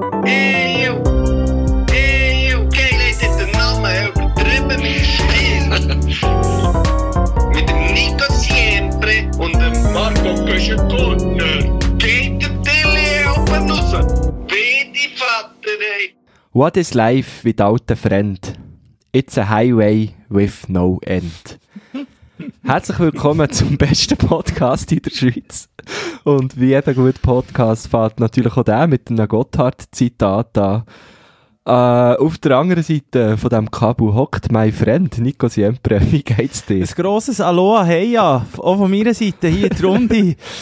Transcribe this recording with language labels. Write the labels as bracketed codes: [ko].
[de] Eu quem nem tem de nome, eu vertrebo me espelho. Mit dem Nico Siempre und dem Marco Köschekotner. Geht der Tele auf und raus. Bitte Vater, ey. [en] What is life without a friend? It's a highway with no end. [de] Herzlich willkommen zum besten Podcast in der Schweiz. Und wie jeder gute Podcast fährt natürlich auch der mit einem Gotthard-Zitat an. Auf der anderen Seite von diesem Kabu hockt mein Freund Nico Siempre. Wie geht's dir? Ein grosses Aloha, hey ja, auch von meiner Seite hier die Runde.